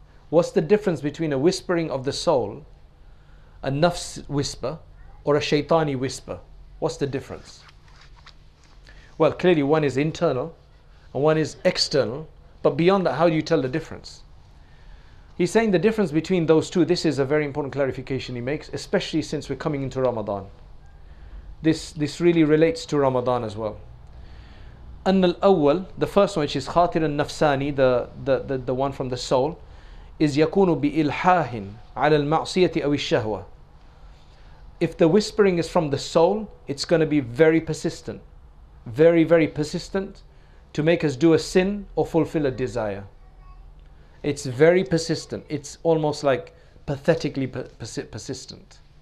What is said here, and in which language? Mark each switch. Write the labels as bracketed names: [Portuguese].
[English] What's the difference between a whispering of the soul, a nafs whisper, or a shaytani whisper? What's the difference? Well, clearly one is internal and one is external, but beyond that, how do you tell the difference? He's saying the difference between those two, this is a very important clarification he makes, especially since we're coming into Ramadan. This really relates to Ramadan as well. [Arabic] أن الأول, [English] the first one, which is [Arabic] خاطر النفساني, [English] the one from the soul, is [Arabic] يكون بإلحاح على المعصية أو الشهوة. [English] If the whispering is from the soul, it's going to be very persistent. Very, very persistent to make us do a sin or fulfill a desire. It's very persistent. It's almost like pathetically persistent.